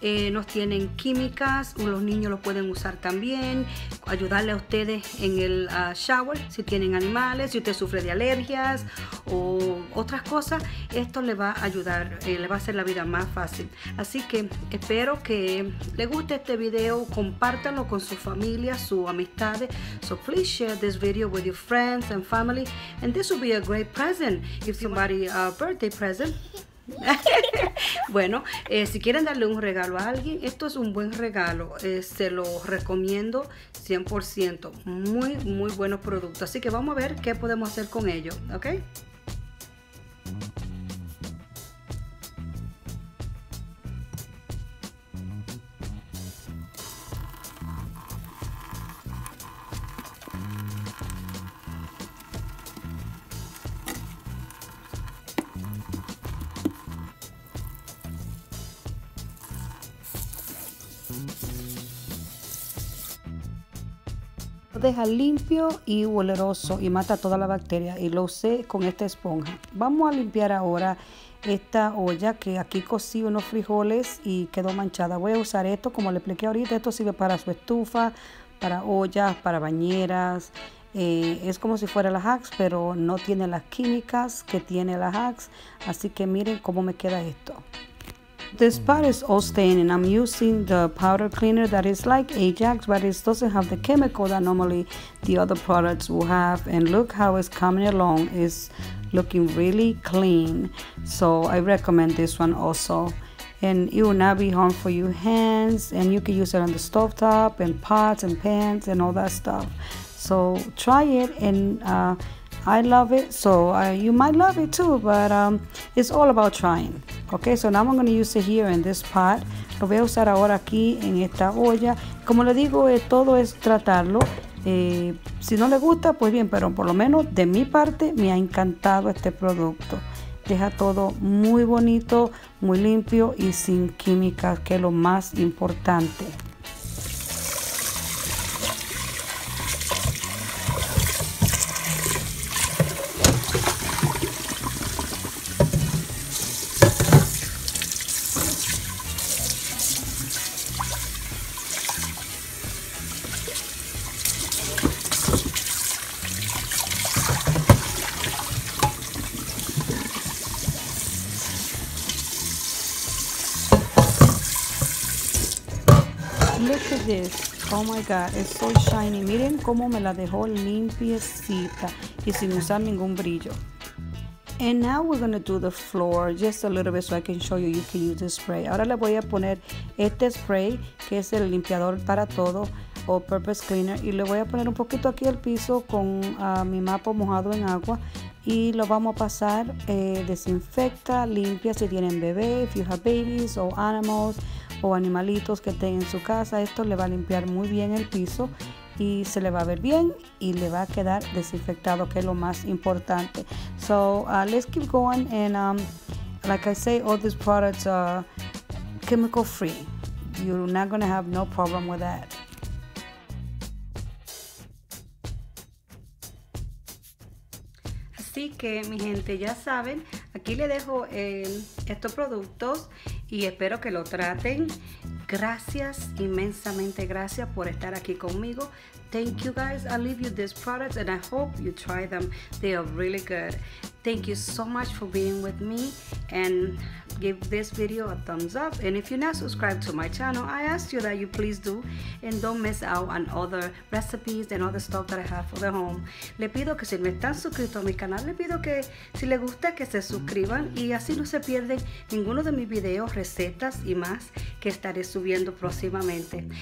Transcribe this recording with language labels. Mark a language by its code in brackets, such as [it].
[es] nos tienen químicas, los niños lo pueden usar también, ayudarle a ustedes en el shower, si tienen animales, si usted sufre de alergias o otras cosas, esto le va a ayudar, le va a hacer la vida más fácil. Así que espero que le guste este video, compártanlo con su familia, sus amistades. [en] So please share this video with your friends and family, and this will be a great present if somebody a birthday present. [es] Bueno, si quieren darle un regalo a alguien, esto es un buen regalo. Se lo recomiendo 100%. Muy, muy buenos productos. Así que vamos a ver qué podemos hacer con ellos, ¿ok? Deja limpio y oloroso y mata toda la bacteria, y lo usé con esta esponja. Vamos a limpiar ahora esta olla, que aquí cocí unos frijoles y quedó manchada. Voy a usar esto, como le expliqué ahorita, esto sirve para su estufa, para ollas, para bañeras. Es como si fuera la Axe, pero no tiene las químicas que tiene la Axe. Así que miren cómo me queda esto. [en] This part is all stained, and I'm using the powder cleaner that is like Ajax, but it doesn't have the chemical that normally the other products will have. And look how it's coming along. It's looking really clean. So I recommend this one also. And it will not be harmful for your hands, and you can use it on the stovetop and pots and pans and all that stuff. So try it, and I love it, so you might love it too, but it's all about trying. Okay, so now I'm going to use it here in this pot. [es] Lo voy a usar ahora aquí en esta olla. Como le digo, todo es tratarlo. Si no le gusta, pues bien, pero por lo menos de mi parte me ha encantado este producto. Deja todo muy bonito, muy limpio y sin químicas, que es lo más importante. [en] Look at this. Oh my God, it's so shiny. [es] Miren cómo me la dejó limpiecita y sin usar ningún brillo. [en] And now we're going to do the floor just a little bit so I can show you can use the spray. [es] Ahora le voy a poner este spray, que es el limpiador para todo, o purpose cleaner, y le voy a poner un poquito aquí al piso con mi mapo mojado en agua, y lo vamos a pasar, desinfecta, limpia si tienen bebé, [en] if you have babies or animals, [es] o animalitos que estén en su casa. Esto le va a limpiar muy bien el piso y se le va a ver bien y le va a quedar desinfectado, que es lo más importante. [en] So let's keep going, and like I say, all these products are chemical free. You're not gonna have no problem with that. [es] Así que mi gente, ya saben, aquí le dejo estos productos y espero que lo traten. Gracias, inmensamente gracias por estar aquí conmigo. [en] Thank you guys, I leave you these products and I hope you try them. They are really good. Thank you so much for being with me, and give this video a thumbs up. And if you're not subscribed to my channel, I ask you that you please do, and don't miss out on other recipes and other stuff that I have for the home. [es] Le pido que si no están suscritos a mi canal, le pido que si les gusta que se suscriban, y así no se pierden ninguno de mis videos, recetas y más que estaré subiendo próximamente.